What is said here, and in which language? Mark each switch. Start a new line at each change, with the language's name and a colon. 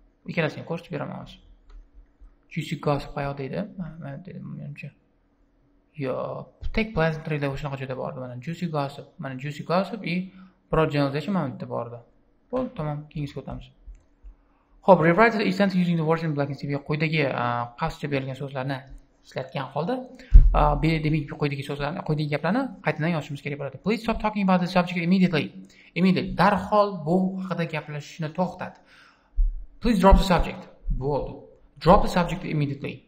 Uzbek: Ikkalasini ko'rsatib beraman hozir. Juicy gossip qayoq deydi? Men dedim, menimcha. Yo, take pleasantry deb shunaqa joyda bordi mana. Juicy gossip. Mana juicy gossip va broad generalization mana bitta bordi. Bo'ldi, tamam. Keyingisiga o'tamiz.
English: Xo'p, rewrite the sentence using the words in black and CV.
Uzbek: Quyidagi qasdcha berilgan so'zlarni ishlatgan holda, demak, quyidagi so'zlarni, quyidagi gaplarni qaytadan yozishimiz kerak bo'ladi.
English: Please stop talking about the subject immediately. Immediately.
Uzbek: Darhol bu haqida gaplashishni to'xtat.
English: Please drop the subject.
Uzbek: Bo'ldi.
English: Drop the subject immediately.